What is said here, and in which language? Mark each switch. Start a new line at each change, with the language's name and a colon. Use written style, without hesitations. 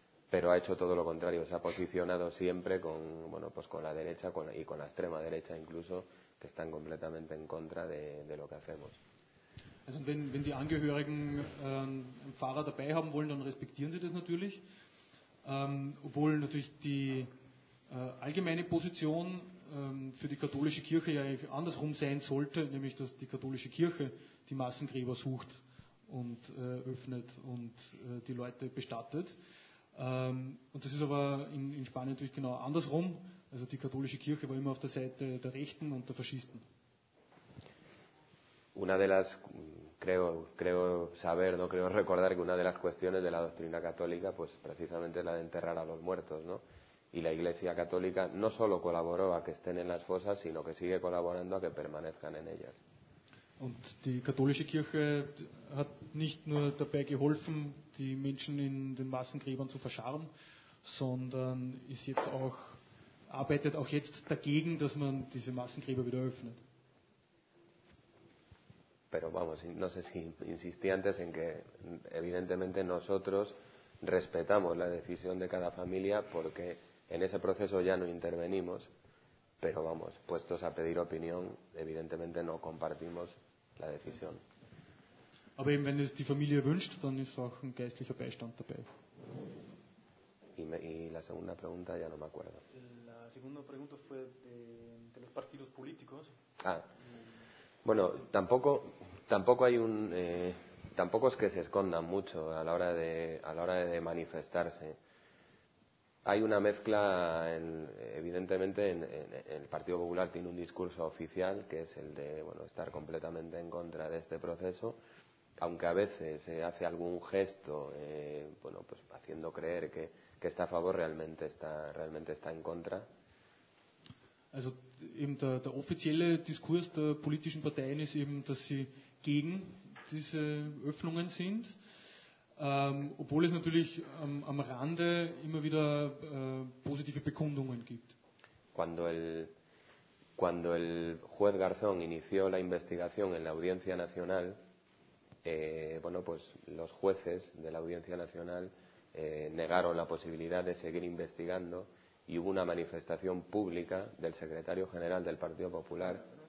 Spanish: pero ha hecho todo lo contrario, se ha posicionado siempre con la derecha y con la extrema derecha incluso, que están completamente en contra de lo que hacemos.
German: Also wenn die Angehörigen einen Pfarrer dabei haben wollen, dann respektieren sie das natürlich, obwohl natürlich die allgemeine Position für die katholische Kirche ja eigentlich andersrum sein sollte, nämlich dass die katholische Kirche die Massengräber sucht und öffnet und die Leute bestattet. Und das ist aber in Spanien natürlich genau andersrum. Also die katholische Kirche war immer auf der Seite der Rechten und der Faschisten.
Spanish: Una de las, creo saber, no creo recordar, que una de las cuestiones de la doctrina católica, pues precisamente la de enterrar a los muertos, ¿no? Y la Iglesia Católica no solo colaboró a que estén en las fosas, sino que sigue colaborando a que permanezcan en ellas.
German: Und die katholische Kirche hat nicht nur dabei geholfen, die Menschen in den Massengräbern zu verscharren, sondern ist jetzt auch, arbeitet auch jetzt dagegen, dass man diese Massengräber wieder öffnet.
Spanish: Pero vamos, no sé si insistí antes en que evidentemente nosotros respetamos la decisión de cada familia porque en ese proceso ya no intervenimos, pero vamos, puestos a pedir opinión, evidentemente no compartimos la decisión.
German: Aber eben, wenn es die Familie wünscht, dann ist auch ein geistlicher Beistand dabei.
Spanish: Y la segunda pregunta ya no me acuerdo. La segunda pregunta fue de los partidos políticos. Ah, bueno, tampoco hay un... tampoco es que se escondan mucho a la hora de manifestarse. Hay una mezcla, evidentemente, en el Partido Popular tiene un discurso oficial, que es el de estar completamente en contra de este proceso, aunque a veces se hace algún gesto haciendo creer que está a favor, realmente está en contra.
German: Also eben der offizielle Diskurs der politischen Parteien ist eben, dass sie gegen diese Öffnungen sind. Obwohl es natürlich am Rande immer wieder positive Bekundungen gibt.
Spanish: Cuando el juez Garzón inició la investigación en la Audiencia Nacional, los jueces de la Audiencia Nacional negaron la posibilidad de seguir investigando y hubo una manifestación pública del secretario general del Partido Popular.